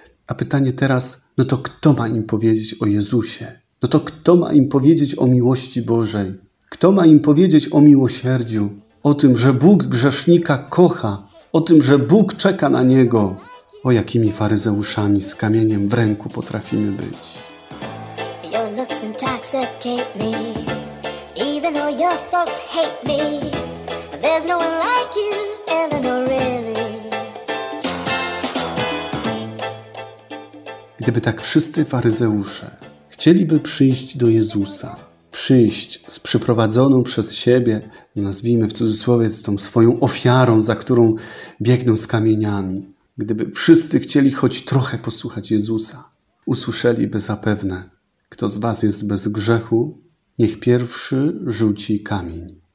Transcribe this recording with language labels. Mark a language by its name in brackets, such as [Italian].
[Polish] A pytanie teraz, no to kto ma im powiedzieć o Jezusie? No to kto ma im powiedzieć o miłości Bożej? Kto ma im powiedzieć o miłosierdziu? O tym, że Bóg grzesznika kocha? O tym, że Bóg czeka na niego? O jakimi faryzeuszami z kamieniem w ręku potrafimy być? [English] Your looks intoxicate me, even though your folks hate me. There's no one like you, Eleanor, really. [Polish] Gdyby tak wszyscy faryzeusze chcieliby przyjść do Jezusa, przyjść z przyprowadzoną przez siebie, nazwijmy w cudzysłowie, z tą swoją ofiarą, za którą biegną z kamieniami, gdyby wszyscy chcieli choć trochę posłuchać Jezusa, usłyszeliby zapewne: kto z was jest bez grzechu, niech pierwszy rzuci kamień.